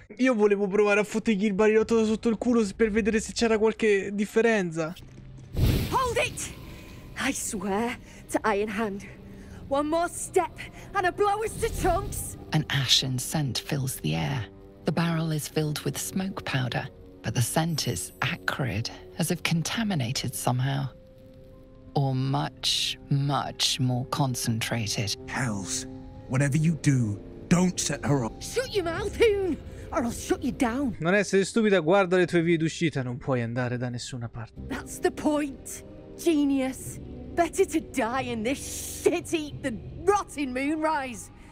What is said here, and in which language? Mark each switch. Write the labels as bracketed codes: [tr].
[it] Io volevo provare a fottergli il barilotto da sotto il culo per vedere se c'era qualche differenza. [en] Hold it! I swear to Iron Hand. One more step and I blow us to chunks. An ashen scent fills the air. The barrel is filled with smoke powder, but the scent is acrid, as if contaminated somehow. Or much, much more concentrated. Hells, whatever you do, don't set her up. Shut your mouth, Hoon, or I'll shut you down. [it] Non essere stupida, guarda le tue vie d'uscita, non puoi andare da nessuna parte. [en] That's the point, genius. Better to die in this shit heap than rotting Moonrise.